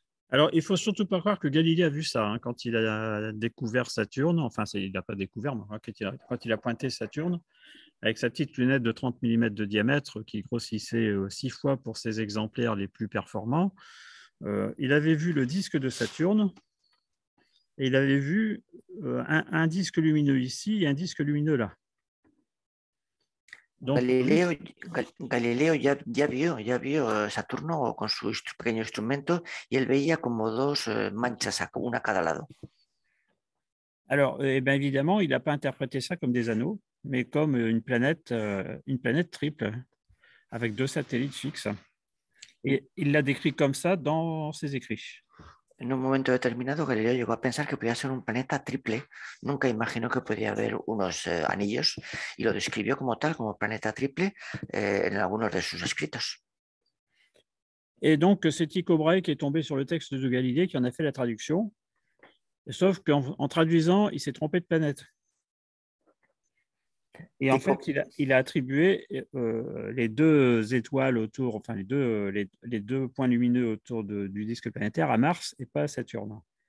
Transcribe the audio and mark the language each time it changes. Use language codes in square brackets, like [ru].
[fr] Alors, il ne faut surtout pas croire que Galilée a vu ça hein, quand il a découvert Saturne, enfin, il ne l'a pas découvert, mais quand il a pointé Saturne, avec sa petite lunette de 30 mm de diamètre qui grossissait 6 fois pour ses exemplaires les plus performants, il avait vu le disque de Saturne et il avait vu un disque lumineux ici et un disque lumineux là. [es] Donc, Galileo ya vio Saturno con su pequeño instrumento y él veía como dos manchas, una a cada lado. [fr] Alors, eh bien, évidemment, il n'a pas interprété ça comme des anneaux, mais comme une planète triple avec deux satellites fixes. Et il l'a décrit comme ça dans ses écrits. [es] En un momento determinado, Galileo llegó a pensar que podía ser un planeta triple. Nunca imaginó que podía haber unos anillos y lo describió como tal, como planeta triple, en algunos de sus escritos. [fr] Et donc, c'est Tycho Brahe qui est tombé sur le texte de Galilée qui en a fait la traduction. Sauf qu'en traduisant, il s'est trompé de planète. Et en fait, il a attribué les deux étoiles autour, enfin les deux points lumineux autour du disque planétaire à Mars et pas à Saturne.